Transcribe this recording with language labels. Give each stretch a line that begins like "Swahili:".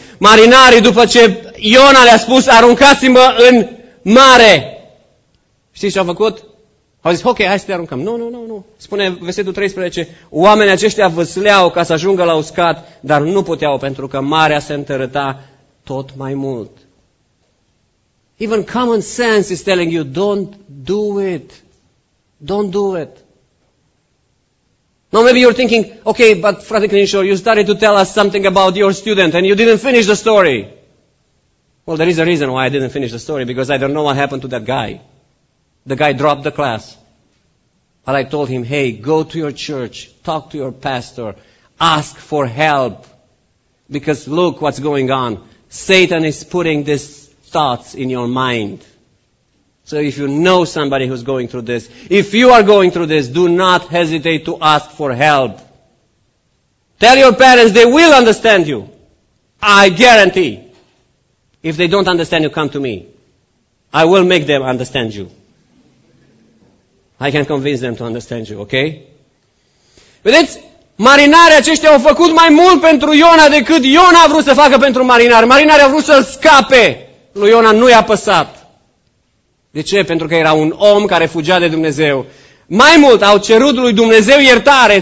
Romanian: Marinarii, după ce Iona le-a spus, aruncați-mă în mare. Știți ce au făcut? Au zis, ok, hai să te aruncăm. Nu, nu, nu, nu. Spune versetul 13, oamenii aceștia vâsleau ca să ajungă la uscat, dar nu puteau pentru că marea se întărâta tot mai mult.
English: Even common sense is telling you, don't do it. Don't do it. Now maybe you're thinking, okay, but Frate Crinșor, you started to tell us something about your student and you didn't finish the story. Well, there is a reason why I didn't finish the story, because I don't know what happened to that guy. The guy dropped the class. But I told him, hey, go to your church, talk to your pastor, ask for help. Because look what's going on. Satan is putting these thoughts in your mind. So if you know somebody who's going through this, if you are going through this, do not hesitate to ask for help. Tell your parents, they will understand you. I guarantee. If they don't understand you, come to me. I will make them understand you. I can convince them to understand you, okay?
Romanian: Vedeți, marinarii aceștia au făcut mai mult pentru Iona decât Iona a vrut să facă pentru marinari. Marinarii au vrut să-l scape. Lui Iona nu i-a păsat. De ce? Pentru că era un om care fugea de Dumnezeu. Mai mult, au cerut lui Dumnezeu iertare.